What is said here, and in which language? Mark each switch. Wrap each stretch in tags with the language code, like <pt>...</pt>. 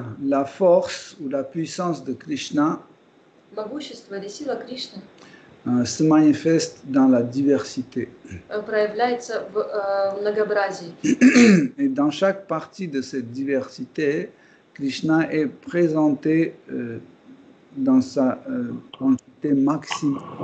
<fr>La force ou la puissance de Krishna.</fr> <ru>Могущество или сила Кришны</ru> <fr>se manifeste dans la diversité.</fr> <ru>Проявляется в многообразии.</ru> <fr>Et dans chaque partie de cette diversité, Krishna est présenté dans sa quantité maximale.</fr>